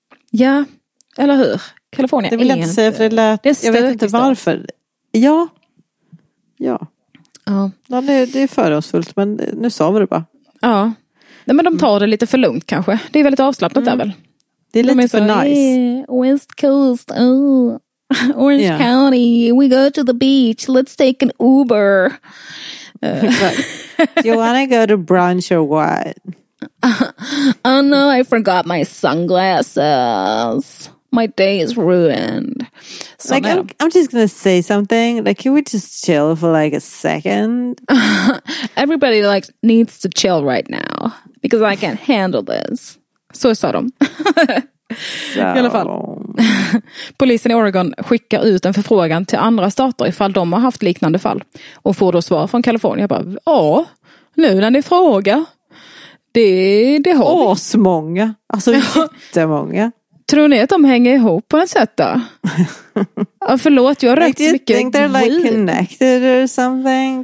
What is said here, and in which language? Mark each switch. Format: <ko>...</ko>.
<sv>Ja, eller hur? Kalifornien. Det vill jag inte säga, för det lät, det jag vet inte varför. Ja. Ja. Ja. Ja, det är förhållsfullt, men nu sa vi det bara. Ja. Nej, men de tar det lite för lugnt kanske. Det är väldigt avslappnat där väl. Det är lite för nice.</sv> <en>West Coast, Orange County, we go to the beach, let's take an Uber. Do you want to go to brunch or what? Oh no, I forgot my sunglasses. My day is ruined. So like, I'm just going to say something. Like, can we just chill for like a second? Everybody like needs to chill right now because I can't handle this.</en> <sv>Så sa de. I alla fall. Polisen i Oregon skickar ut en förfrågan till andra stater ifall de har haft liknande fall. Och får då svar från Kalifornien. Jag bara, nu när ni frågar. Det har vi. Asmånga. Alltså jättemånga. Tror ni att de hänger ihop på något sätt då? Ja, förlåt, jag har rökt så mycket.</sv> <en>Do you think they're like connected or something?</en>